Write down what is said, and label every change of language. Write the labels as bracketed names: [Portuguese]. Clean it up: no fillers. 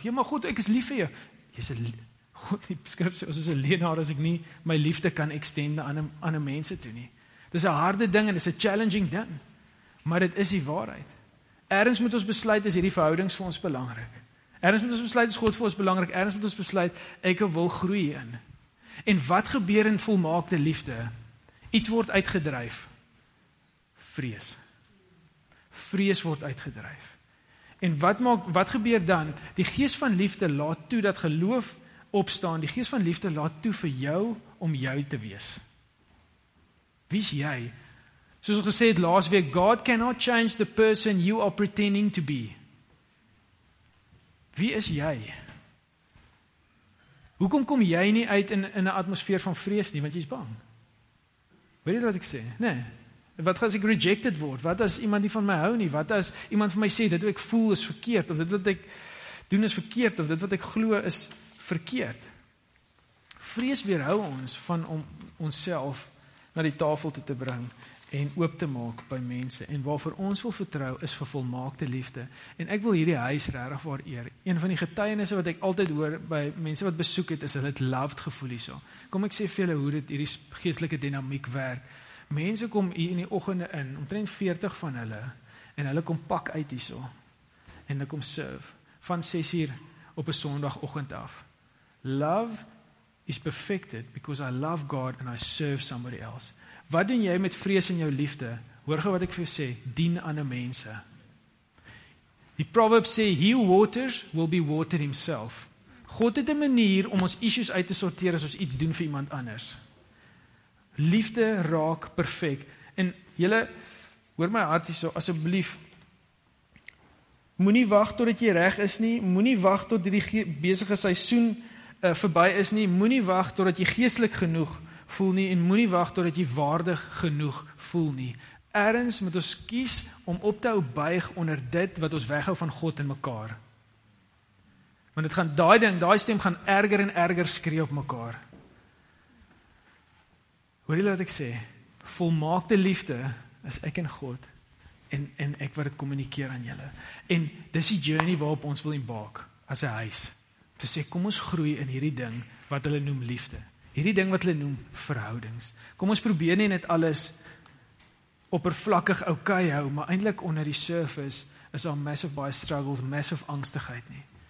[Afrikaans] Ja, maar God, ek is lief vir jou. Jy's 'n God, die skrif sê, ons is 'n leenaar as ek nie my liefde kan extend aan mense toe nie. Dis 'n harde ding en dis 'n challenging ding. Maar dit is die waarheid. Ergens moet ons besluit, is hierdie verhoudings vir ons belangrik. Ergens moet ons besluit, is God vir ons belangrik. Ergens moet ons besluit, ek wil groei in. En wat gebeur in volmaakte liefde? Iets word uitgedryf. Vrees. Vrees word uitgedryf. En wat gebeur dan? Die gees van liefde laat toe dat geloof opstaan. Die gees van liefde laat toe vir jou om jou te wees. Wie is jy? Soos ons gesê het laas week, [English] God cannot change the person you are pretending to be. [Afrikaans] Wie is jy? Hoekom kom jy nie uit in 'n atmosfeer van vrees nie, want jy is bang? Weet jy wat ek sê? Nee. Wat as ek rejected word? Wat as iemand nie van my hou nie? Wat as iemand van my sê, dit wat ek voel is verkeerd, of dit wat ek doen is verkeerd, of dit wat ek glo is verkeerd? Vrees weerhou ons van om onsself na die tafel toe te bring en oop te maak by mense. En waarvoor ons wil vertrou is vir volmaakte liefde. En ek wil hierdie huis regtig waar eer. Een van die getuienisse wat ek altyd hoor by mense wat besoek het, is hulle het loved gevoel hierso. Kom ek sê vir julle hoe dit hierdie geestelike dinamiek werk. Mense kom hier in die oggende in, omtrent 40 van hulle, en hulle kom pak uit hierso. En hulle kom serve van 6 uur op 'n sonoggend af. [English] Love is perfected because I love God and I serve somebody else. [Afrikaans] Wat doen jy met vrees in jou liefde? Hoor gou wat ek vir jou sê, dien ander mense. Die proverb sê, [English] he who waters will be watered himself. [Afrikaans] God het 'n manier om ons issues uit te sorteer as ons iets doen vir iemand anders. Liefde raak perfek. En julle, hoor my hart hierso, asseblief, moenie wag totdat jy reg is nie, moenie wag tot die besige seisoen verby is nie, moenie wag totdat jy geestelik genoeg voel nie, en moenie wag totdat jy waardig genoeg voel nie. Ergens moet ons kies om op te hou buig onder dit wat ons weghou van God en mekaar. Want dit gaan daai ding, daai stem gaan erger en erger skree op mekaar. Hoor jy wat ek sê? Volmaakte liefde is ek en God, en ek wat dit kommunikeer aan julle. En dis die journey waarop ons wil embark as 'n huis. Te sê, kom ons groei in hierdie ding wat hulle noem liefde. Hierdie ding wat hulle noem verhoudings. Kom ons probeer nie net alles oppervlakkig okay hou, maar eintlik onder die surface is daar massive baie struggles, massive angstigheid nie.